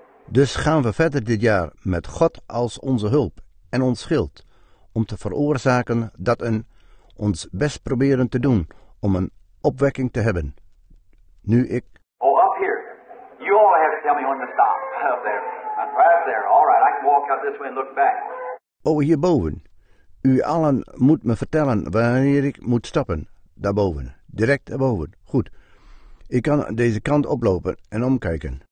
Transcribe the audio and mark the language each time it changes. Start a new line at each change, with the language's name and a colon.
Dutch: Dus gaan we verder dit jaar met God als onze hulp en ons schild om te veroorzaken dat een ons best proberen te doen om een opwekking te hebben. Nu ik.
English: Oh, up here. You all have to tell me when to stop. Up there. I'm right up there. All right, I can walk out this way and look back.
Dutch: Oh, hierboven. U allen moet me vertellen wanneer ik moet stoppen. Daarboven. Direct daarboven. Goed. Ik kan deze kant oplopen en omkijken.